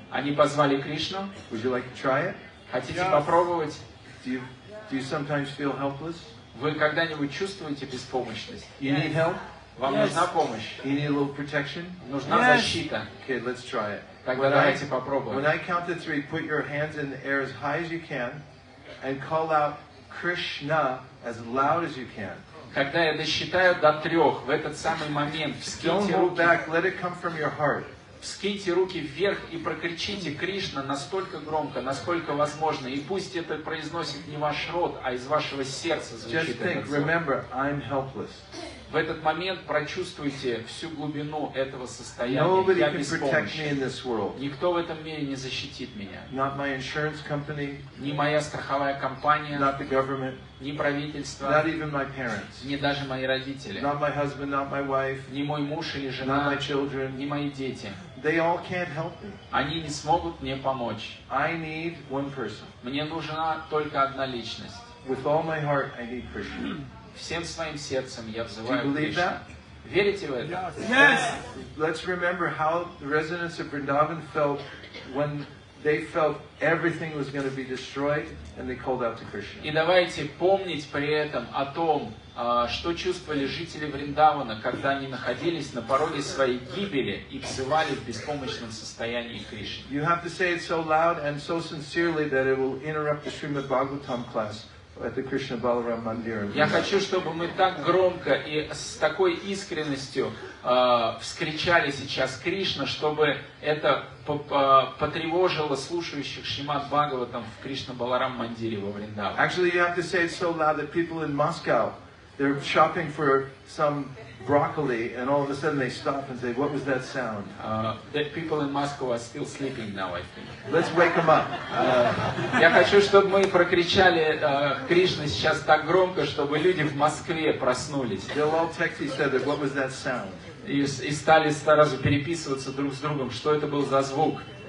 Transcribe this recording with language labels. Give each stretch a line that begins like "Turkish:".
Russian: Они позвали Кришну.
English: Would you like to try it?
Russian: Хотите
English: yes.
Russian: попробовать?
English: Do you sometimes feel helpless?
Russian: Вы когда-нибудь чувствуете беспомощность?
English: You yes. need help?
Russian: Вам
English: yes.
Russian: нужна помощь?
English: You need a little protection?
Russian: Нужна
English: yes.
Russian: защита.
English: Okay, let's try it.
Russian: Тогда давайте попробуем.
English: When I count to three, put your hands in the air as high as you can, and call out Krishna as loud as you can.
Russian: Когда я досчитаю до трех, в этот самый момент, вскиньте руки вверх и прокричите Кришна настолько громко, насколько возможно, и пусть это произносит не ваш рот, а из вашего сердца звучит этот звук. В этот момент прочувствуйте всю глубину этого состояния. Я беспомощен. Никто в этом мире не защитит меня.
English: Not my insurance company,
Russian: ни моя страховая компания.
English: Not the government,
Russian: ни правительство.
English: Not even my parents,
Russian: ни даже мои родители.
English: Not my husband, not my wife,
Russian: ни мой муж или жена.
English: Not my children,
Russian: ни мои дети.
English: They all can't help me.
Russian: Они не смогут мне помочь.
English: I need one person.
Russian: Мне нужна только одна личность.
English: With all my heart, I need Krishna.
Russian: Всем своим сердцем я взываю Кришну. Верите в это?
English: Yes. Let's remember how the residents of Vrindavan felt when they felt everything was going to be destroyed and they called out to Krishna.
Russian: И давайте помнить при этом о том, что чувствовали жители Вриндавана, когда они находились на пороге своей гибели и взывали в беспомощном состоянии Кришну.
English: You have to say it so loud and so sincerely that it will interrupt the Srimad Bhagavatam class. at the Krishna Balaram Mandir.
Russian: Я хочу, чтобы мы так громко и с такой искренностью вскричали сейчас Кришна, чтобы это потревожило слушающих Шримад Бхагаватам в Кришна Баларам Мандире во Вриндаване.
English: Actually, you have to say it so loud that people in Moscow, they're shopping for some broccoli, and all of a sudden they stop and say, "What was that sound?" That people in Moscow are still sleeping now, I think. Let's wake them up.
Russian: Я хочу, чтобы мы прокричали Кришну сейчас так громко, чтобы люди в Москве проснулись.
English: They'll all text each other, "What was that sound?"
Russian: И стали сразу переписываться друг с другом, что это был за звук.